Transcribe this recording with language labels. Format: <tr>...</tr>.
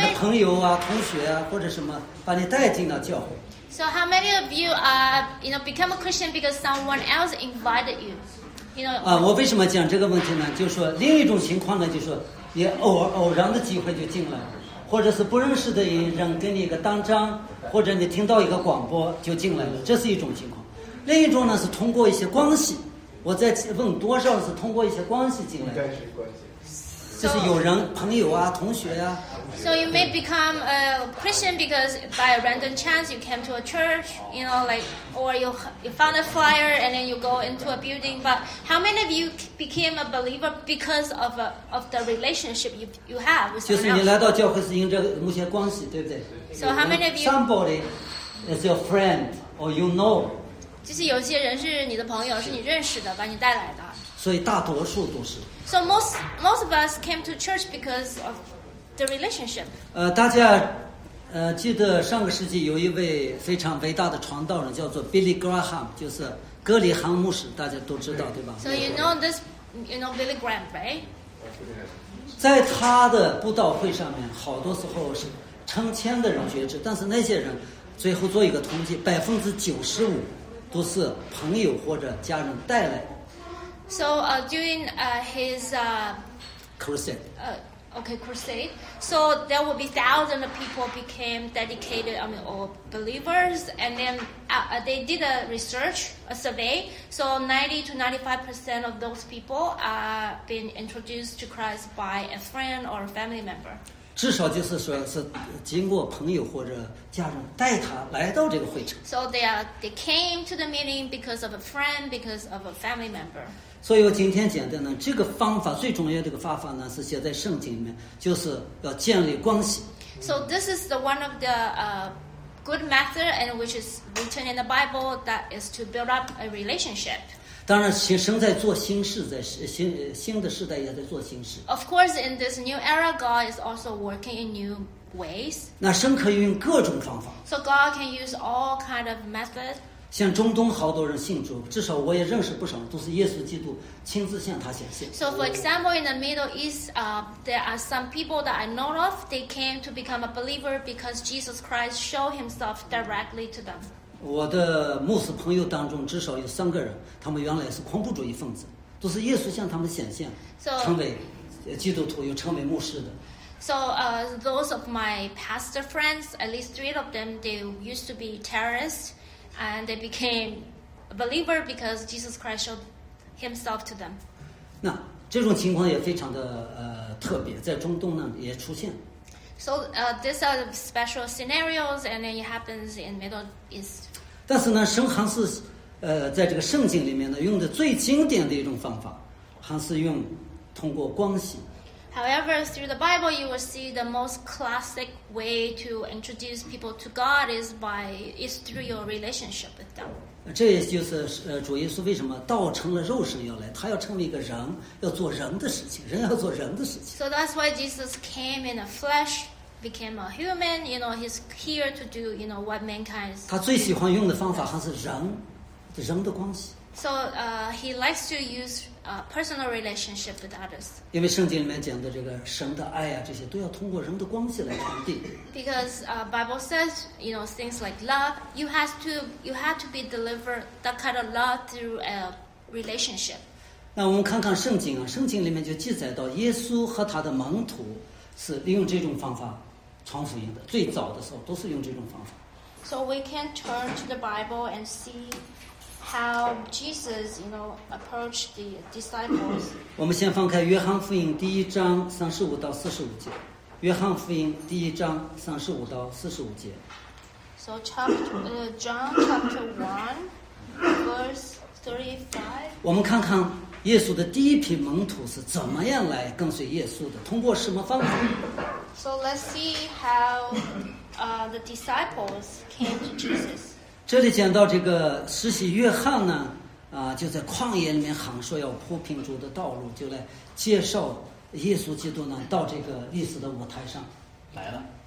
<zh>就是朋友啊同学啊或者什么把你带进了教会</zh> <en>So how many of you are, you know, become a Christian because someone else invited you? You know,</en> <zh>我为什么讲这个问题呢就是说另一种情况呢就是说你偶然的机会就进来或者是不认识的人给你一个当章或者你听到一个广播就进来了这是一种情况另一种呢是通过一些关系我再问多少是通过一些关系进来的就是有人朋友啊同学啊</zh> <en>So you may become a Christian because by a random chance you came to a church you know like or you found a flyer and then you go into a building but how many of you became a believer because of a, of the relationship you have with someone else?</en> <zh>就是你来到教会是因着某些关系对不对</zh> <en>So how many of you Somebody is your friend or you know</en> <zh>就是有些人是你的朋友是你认识的把你带来的所以大多数都是</zh> <en>So most of us came to church because of the relationship.</en> <zh>大家记得上个世纪有一位非常伟大的传道人叫做 Billy Graham, 就是格里汉牧师，大家都知道对吧</zh> <en>？So you know this, you know Billy Graham, right?</en> <zh>在他的布道会上面，好多时候是成千的人觉知，但是那些人最后做一个统计，95%都是朋友或者家人带来。</zh> <en>So during his crusade. Crusade. So there will be thousands of people became dedicated, I mean, or believers. And then they did a research, a survey. So 90 to 95% of those people are being introduced to Christ by a friend or a family member.</en> <zh>至少就是说是经过朋友或者家人带他来到这个会场。</zh> <en>So they came to the meeting because of a friend, because of a family member.</en> <zh>所以我今天讲的呢这个方法最重要的一个方法呢是写在圣经里面就是要建立关系</zh> <en>So this is the one of the good method and which is written in the Bible that is to build up a relationship</en> <zh>当然神在做新事在 新的时代也在做新事</zh> <en>Of course in this new era God is also working in new ways</en> <zh>那神可以用各种方法</zh> <en>So God can use all kind of method</en> <zh>像中东好多人信主至少我也认识不少都是耶稣基督亲自向他显现</zh> <en>So for example in the Middle East there are some people that I know of they came to become a believer because Jesus Christ showed himself directly to them</en> <zh>我的牧师朋友当中至少有三个人他们原来是恐怖主义分子都是耶稣向他们显现</zh> <en>so,</en> <zh>成为基督徒又成为牧师的</zh> <en>So those of my pastor friends at least three of them they used to be terroristsAnd they became a believer because Jesus Christ showed himself to them.</en> <zh>那这种情况也非常的特别，在中东呢也出现。</zh> <en>So these are special scenarios, and it happens in Middle East.</en> <zh>但是呢，神还是在这个圣经里面呢用的最经典的一种方法，还是用通过关系。</zh> <en>However, through the Bible, you will see the most classic way to introduce people to God is through your relationship with them.</en> <zh>这也就是主耶稣为什么道成了肉身要来，他要成为一个人，要做人的事情，人要做人的事情。</zh> <en>So that's why Jesus came in a flesh, became a human. You know, he's here to do, you know, what mankind.</en> <zh>他最喜欢用的方法还是人，人的关系。</zh> <en>So he likes to use personal relationship with others.</en> <zh>因为圣经里面讲的这个神的爱啊，这些都要通过人的关系来传递。</zh> <en>Because Bible says, you know, things like love, you have to be delivered that kind of love through a relationship.</en> <zh>那我们看看圣经啊，圣经里面就记载到耶稣和他的门徒是用这种方法传福音的。最早的时候都是用这种方法。</zh> <en>So we can turn to the Bible and see. how Jesus, you know, approached the disciples.</en> <zh>我们先翻开约翰福音第一章三十五到四十五节。约翰福音第一章三十五到四十五节。</zh> <en>So John chapter 1, verse 35.</en> <zh>我们看看耶稣的第一批门徒是怎么样来跟随耶稣的，通过什么方法</zh> <en>？So let's see how the disciples came to Jesus.</en> <zh>这里讲到这个施洗约翰呢，就在旷野里面喊说要铺平主的道路，就来介绍耶稣基督呢到这个历史的舞台上来了。</zh>